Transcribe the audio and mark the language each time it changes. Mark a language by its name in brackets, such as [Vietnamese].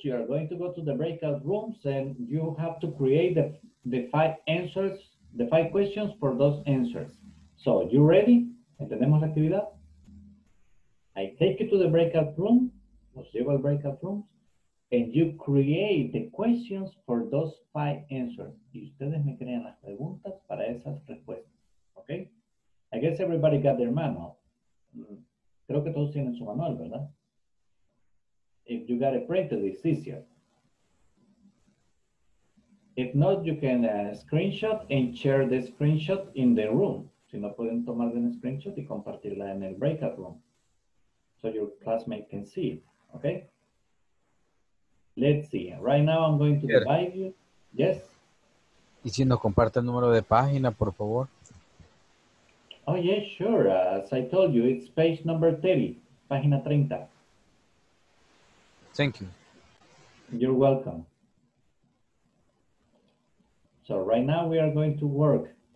[English] You are going to go to the breakout rooms and you have to create the five answers, the five questions for those answers. So, you ready? [Spanish] ¿Entendemos la actividad? [English] I take you to the breakout room, or several breakout rooms, and you create the questions for those five answers. [Spanish] Y ustedes me crean las preguntas para esas respuestas. [English] Okay? I guess everybody got their manual. [Spanish] Creo que todos tienen su manual, ¿verdad? [English] If you got it printed, it's easier. If not, you can screenshot and share the screenshot in the room. [Spanish] Si no pueden tomar un screenshot y compartirla en el breakout room. [English] So your classmate can see it, okay? Let's see. Right now I'm going to divide you. Yes? [Spanish] ¿Y si nos comparte el número de página, por favor? [English] Oh, yes, sure. As I told you, it's page number 30, [Spanish] página 30. [English] Thank you. You're welcome. So right now we are going to work.